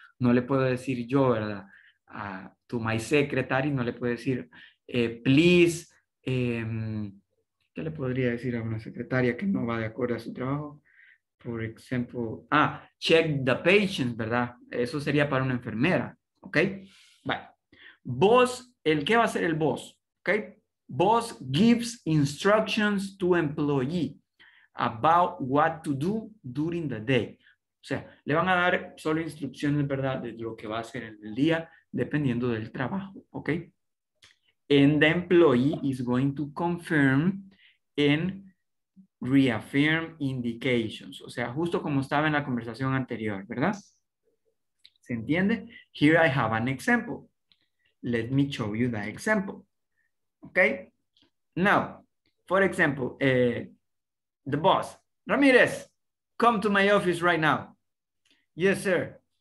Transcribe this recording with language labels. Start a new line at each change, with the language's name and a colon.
Spanish: No le puedo decir yo, ¿verdad? A tu
English: my secretary,
Spanish: no le puedo decir please, ¿qué le podría decir a una secretaria que no va de acuerdo a su trabajo? Por ejemplo,
English: check the patient,
Spanish: ¿verdad? Eso sería para una enfermera, ¿ok? Vale. Boss, ¿el qué va a hacer el boss? ¿Ok?
English: Boss gives instructions to employee about what to do during the day.
Spanish: O sea, le van a dar solo instrucciones, ¿verdad? De lo que va a hacer en el día, dependiendo del trabajo, ¿ok?
English: And the employee is going to confirm and reaffirm indications.
Spanish: O sea, justo como estaba en la conversación anterior, ¿verdad? ¿Se entiende?
English: Here I have an example. Let me show you that example. Okay? Now, for example, the boss, Ramirez, come to my office right now. Yes, sir.